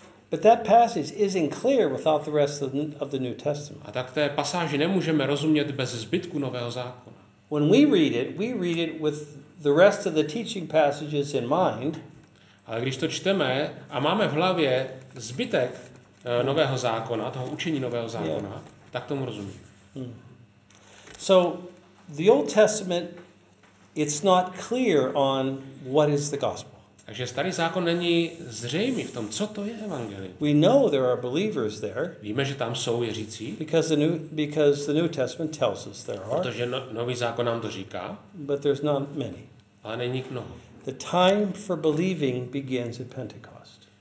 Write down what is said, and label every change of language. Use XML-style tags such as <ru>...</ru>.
<en>But that passage isn't clear without the rest of the New Testament.</en> <cs>A tak té pasáži nemůžeme rozumět bez zbytku Nového zákona.</cs> <en>When we read it with the rest of the teaching passages in mind.</en> <cs>Ale když to čteme a máme v hlavě zbytek Nového zákona, toho učení Nového zákona, yeah. Tak tomu rozumíme. Hmm.</cs> <en>So the Old Testament, it's not clear on what is the gospel.</en> <cs>Takže Starý zákon není zřejmý v tom, co to je evangelium.</cs> <en>We know there are believers there.</en> <cs>Víme, že tam jsou věřící.</cs> <en>Because the New Testament tells us there are.</en> <cs>Protože Nový zákon nám to říká.</cs> <en>But there's not many.</en> <cs>Ale není jich mnoho.</cs> <en>The time for believing begins at Pentecost.</en>